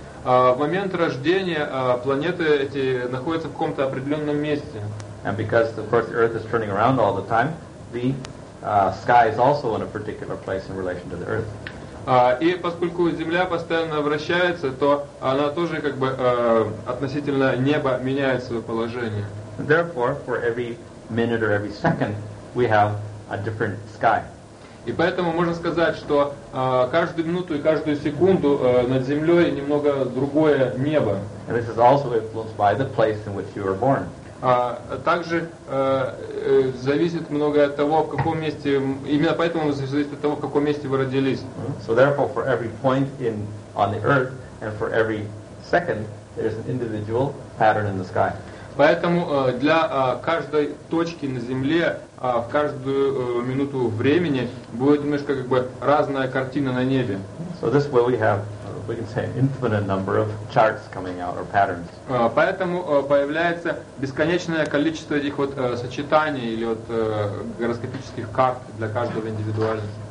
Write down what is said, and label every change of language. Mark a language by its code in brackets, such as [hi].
[ru] В момент рождения планеты эти находятся в каком-то определенном месте. [en] And because, of course, the Earth is turning around all the time, the sky is also in a particular place in relation to the Earth. [ru] И поскольку Земля постоянно вращается, то она тоже как бы относительно неба меняет свое положение. [en] Therefore, for every minute or every second, we have a different sky. [ru] И поэтому можно сказать, что каждую минуту и каждую секунду над Землей немного другое небо. [en] And this is also influenced by the place in which you were born. [ru] Также зависит многое от того, в каком месте, именно поэтому зависит от того, в каком месте вы родились. [en] So therefore, for every point in on the earth and for every second, there is an individual pattern in the sky. [ru] Поэтому для каждой точки на Земле в каждую минуту времени будет немножко как бы разная картина на небе. [en] So this way we have, we can say, an infinite number of charts coming out or patterns. [ru] Поэтому появляется бесконечное количество этих вот сочетаний или вот гороскопических карт для каждого индивидуально.